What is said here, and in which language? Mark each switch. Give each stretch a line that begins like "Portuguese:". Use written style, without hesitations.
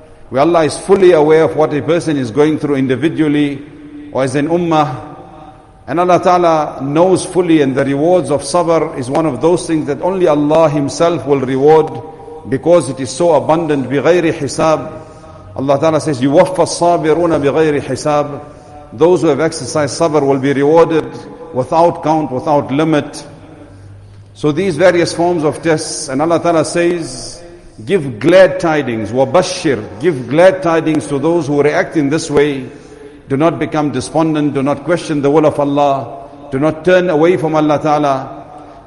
English: Where Allah is fully aware of what a person is going through individually or as an ummah. And Allah Ta'ala knows fully, and the rewards of sabr is one of those things that only Allah Himself will reward, because it is so abundant,
Arabic: بِغَيْرِ حِسَاب.
English: Allah Ta'ala says,
Arabic: يُوَفَّ الصَّابِرُونَ بِغَيْرِ حِسَاب.
English: Those who have exercised sabr will be rewarded without count, without limit. So these various forms of tests, and Allah Ta'ala says, give glad tidings,
Arabic: وَبَشِّرْ,
English: give glad tidings to those who react in this way. Do not become despondent, do not question the will of Allah, do not turn away from Allah Ta'ala.